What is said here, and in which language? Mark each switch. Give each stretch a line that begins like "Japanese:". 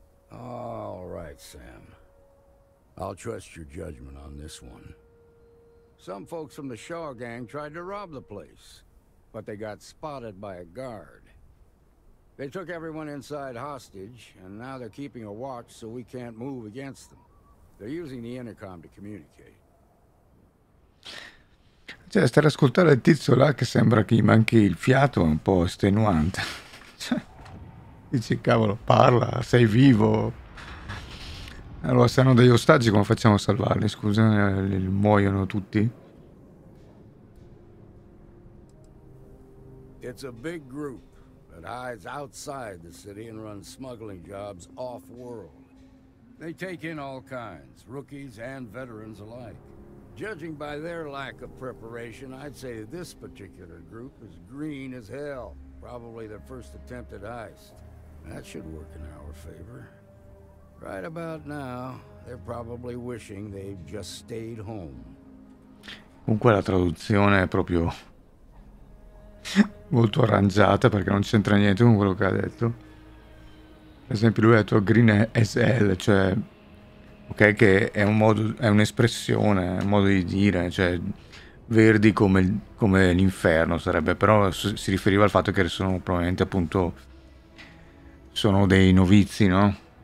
English: All right, Sam. I'll trust your judgment on this one. Some folks from the Shaw gang tried to rob the place, but they got spotted by a guard. They took everyone inside hostage, and now they're keeping a watch so we can't move against them. They're using the intercom to communicate.
Italian: Cioè, stare ad ascoltare il tizio là che sembra che gli manchi il fiato è un po' estenuante. Cioè, dici, cavolo, parla, sei vivo. Allora, se hanno degli ostaggi, come facciamo a salvarli? Scusa, muoiono tutti?
English: It's a big group that hides outside the city and runs smuggling jobs off world. They take in all kinds, rookies and veterans alike. Judging by their lack of preparation, I'd say this particular group is green as hell. Probably their first attempt at heist. That should work in our favor. Right about now, they're probably wishing they've just stayed home.
Italian: Comunque la traduzione è proprio molto arrangiata, perché non c'entra niente con quello che ha detto. Per esempio, lui ha detto
English: green as hell,
Italian: cioè. Ok, che è un modo, è un'espressione, è un modo di dire, cioè verdi come l'inferno sarebbe, però si riferiva al fatto che sono probabilmente, appunto, sono dei novizi, no?